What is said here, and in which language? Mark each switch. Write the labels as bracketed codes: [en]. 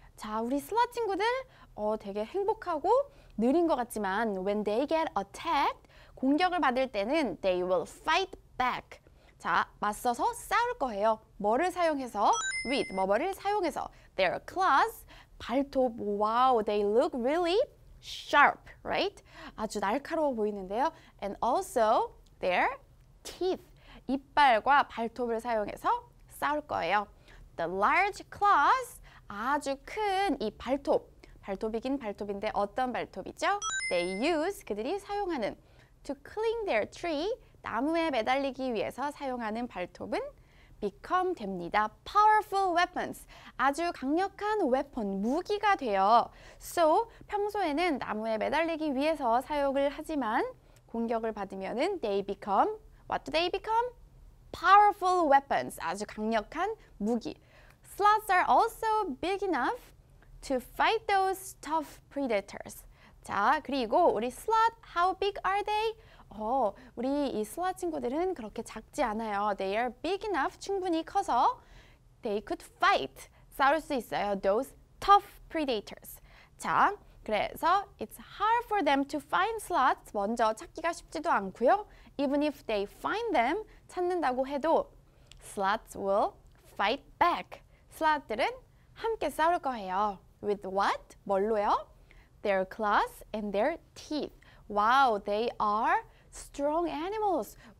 [ko] 자, 우리 sloth 친구들 되게 행복하고 느린 것 같지만 [en] when they get attacked [ko] 공격을 받을 때는 [en] they will fight back. [ko] 자, 맞서서 싸울 거예요. 뭐를 사용해서? With, 뭐뭐를 사용해서. [en] Their claws, 발톱, wow, they look really sharp, right? [ko] 아주 날카로워 보이는데요. [en] And also their teeth, [ko] 이빨과 발톱을 사용해서 싸울 거예요. [en] The large claws, [ko] 아주 큰 이 발톱. 발톱이긴 발톱인데 어떤 발톱이죠? [en] They use, [ko] 그들이 사용하는. [en] To cling their tree, [ko] 나무에 매달리기 위해서 사용하는 발톱은 become 됩니다. [en] Powerful weapons. [ko] 아주 강력한 weapon, 무기가 돼요. So, 평소에는 나무에 매달리기 위해서 사용을 하지만 공격을 받으면은 [en] they become, what do they become? Powerful weapons. [ko] 아주 강력한 무기. [en] Sloths are also big enough to fight those tough predators. [ko] 자, 그리고 우리 sloth, [en] how big are they? [ko] 우리 이 슬라 친구들은 그렇게 작지 않아요. [en] They are big enough, [ko] 충분히 커서 [en] they could fight, [ko] 싸울 수 있어요. [en] Those tough predators. 자, 그래서 it's hard for them to find sloths. [ko] 먼저 찾기가 쉽지도 않고요. [en] Even if they find them, [ko] 찾는다고 해도 [en] sloths will fight back. [ko] 슬라들은 함께 싸울 거예요. [en] With what? [ko] 뭘로요? [en] Their claws and their teeth. Wow, they are strong animals.